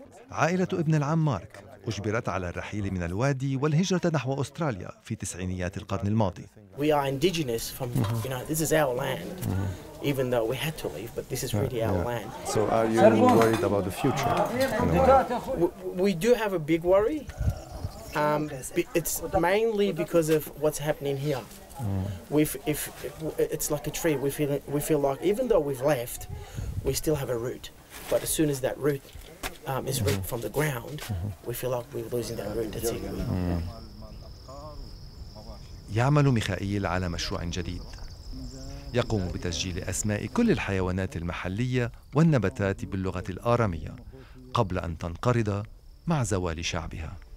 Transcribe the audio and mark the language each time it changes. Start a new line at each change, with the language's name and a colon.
Arabic: عائلة ابن العم مارك اجبرت على الرحيل من الوادي والهجرة نحو استراليا في تسعينيات القرن الماضي.
English: We are indigenous from, you know, this is our land. Even though we had to leave, but this is really our land. So are you worried about the future? We do have a big worry. It's mainly because of what's happening here. If it's like a tree, we feel like even though we've left, we still have a root. But as soon as that root is ripped from the ground, we feel like we're losing that root. That's it.
Arabic: يعمل ميخائيل على مشروع جديد. يقوم بتسجيل أسماء كل الحيوانات المحلية والنباتات باللغة الآرامية قبل أن تنقرض مع زوال شعبها.